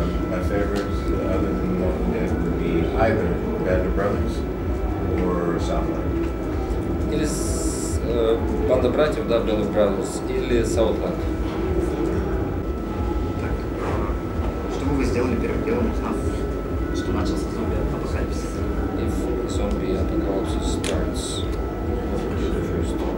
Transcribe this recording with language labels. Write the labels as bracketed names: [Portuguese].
[English] My favorite, other than the one that would be either Band of Brothers or Southland. [Russian] Или Банда Братьев, да, Band of Brothers, или Southland. Так, что бы вы сделали первым делом, узнав, что начался зомби-апокалипсис? [English] If zombie apocalypse starts, what would you do first?